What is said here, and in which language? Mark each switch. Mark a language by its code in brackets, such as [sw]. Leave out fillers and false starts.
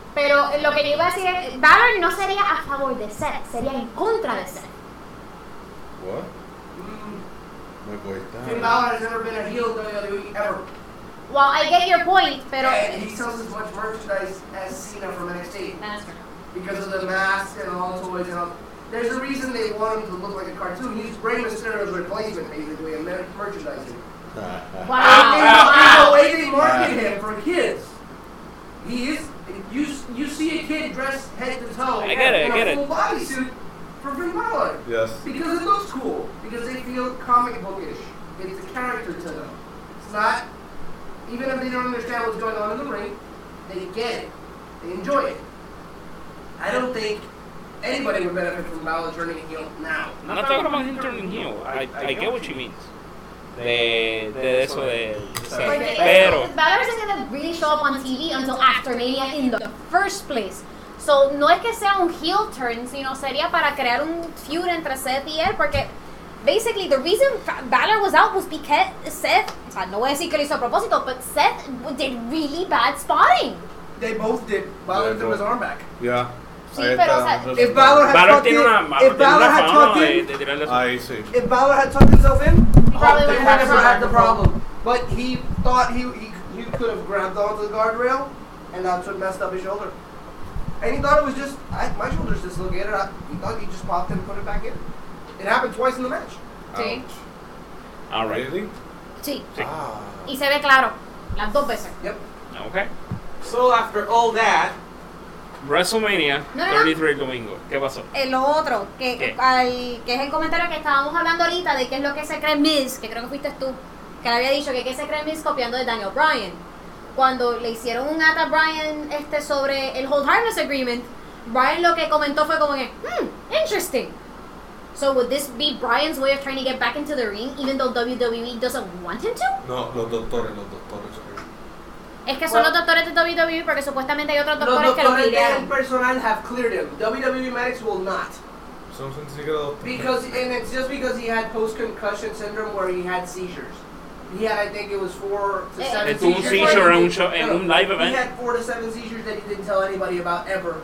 [es] Pero lo que yo iba a decir es, Balor no sería a favor de Seth, sería en contra de Seth. [en] What? [es] Me cuesta. [en] Finn Balor has never been a heel WWE ever. Well, I get your point, [es] pero... [en] And he sells as much merchandise as Cena from NXT. That's right. Because of the mask and all the toys and all... There's a reason they want him to look like a cartoon. He's Rey Mysterio's replacement, basically, and merchandising. Wow. And the way they market him for kids, he is... You see a kid dressed head to toe in a full body suit for Finn Balor. Yes. Because it looks cool. Because they feel comic bookish. It's a character to them. It's not... Even if they don't understand what's going on in the ring, they get it. They enjoy it. I don't think anybody would benefit from Balor turning heel now. I'm not talking about him turning heel. I get what you mean. [es] De eso de... So. Pero... [en] Balor isn't going to really show up on TV until after Mania in the first place. [es] So, no es que sea un heel turn, sino sería para crear un feud entre Seth y él, porque... [en] Basically, the reason Balor was out was because Seth... [es] O sea, no voy a decir que lo hizo a propósito, [en] but Seth did really bad spotting. They both did. Balor threw his arm back. Yeah. [es] Sí, pero, [en] if Balor had talked in, if Balor had talked himself in, they would never had the problem. But he thought he could have grabbed onto the guardrail, and that's what messed up his shoulder. And he thought it was just my shoulder's dislocated. He thought he just popped and put it back in. It happened twice in the match. Ouch. All right. Really? [es] Sí. Y se ve claro las dos veces. [en] Yep. Okay. So after all that. WrestleMania, [es] no, 33 domingo. ¿Qué pasó? Lo otro, que es el comentario que estábamos hablando ahorita de qué es lo que se cree Miz, que creo que fuiste tú, que le había dicho que qué se cree Miz copiando de Daniel Bryan. Cuando le hicieron un ata a Bryan sobre el Hold Harmless Agreement, Bryan lo que comentó fue como que, interesting. [en] So would this be Bryan's way of trying to get back into the ring, even though WWE doesn't want him to? [es] No, los doctores. Es que son los doctores de WWE porque supuestamente hay otros doctores que lo pidieron. Los doctores del personal [en] have cleared him. WWE medics will not. [es] Son sencillos doctores. [en] Because, and it's just because he had post-concussion syndrome where he had seizures. He had, I think it was 4 to 7 seizures. [es] Un seizure en un live event. [en] He had 4 to 7 seizures that he didn't tell anybody about ever.